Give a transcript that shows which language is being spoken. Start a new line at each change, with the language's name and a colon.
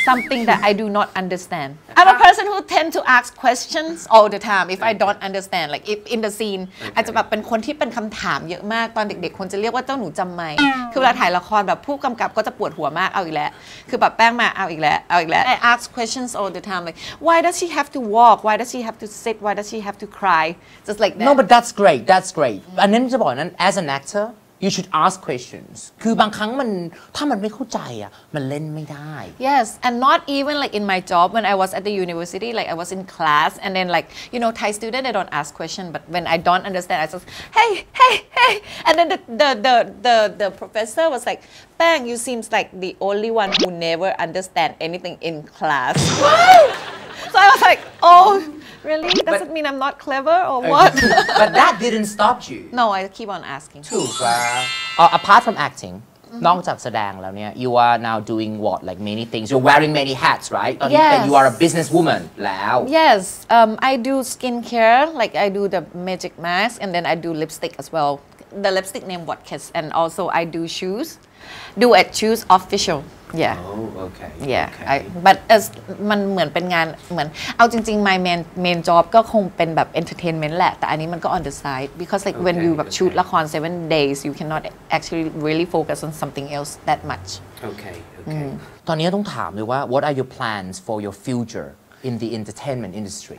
English: something that I do not understand I'm a person who tend to ask questions all the time if I don't understand like if in the scene
Thai: อาจจะแบบเป็นคนที่เป็นคำถามเยอะมากตอนเด็กๆคนจะเรียกว่าเจ้าหนูจำไหมคือเวลาถ่ายละครแบบผู้กำกับก็จะปวดหัวมากเอาอีกแล้วคือแบบแป้งมาเอาอีกแล้วเอาอีกแล้ว
English: I ask questions all the time like why does she have to walk why does she have to sit why does she have to cry just like that no but that's great
Thai: อันนั้นจะบอกนั้น
English: as an actorYou should ask questions.
Thai: คือบางครั้งมันถ้ามันไม่เข้าใจอ่ะมันเล่นไม่ได้
English: Yes, and not even like in my job when I was at the university, like I was in class and then like you know Thai student they don't ask question, but when I don't understand, I just hey and then the professor was like, Bang, you seems like the only one who never understand anything in class. So I was like, oh. Really? Does it mean I'm not clever or what? But that didn't stop you. No, I keep on asking. Too far. apart from acting,
Thai: นอกจากแสดงแล้วเนี่ย
English: you are now doing what like many things you're wearing many hats right yes. and you are a businesswoman แล้ว yes I do skincare like I do the magic mask and then I do lipstick as well the lipstick name what kiss and also I do shoes do at shoes official yeah oh okay yeah okay. But as
Thai: มันเหมือนเป็นงานเหมือนเอาจริงๆ
English: my main job ก็คงเป็นแบบ entertainment
Thai: แหละแต่อันนี้มันก็
English: on the side because like okay, when you
Thai: แบบชูตละคร
English: 7 days you cannot actually really focus on something else that much okay
Thai: ตอนนี้ต้องถามเลยว่า
English: what are your plans for your futureIn the entertainment industry.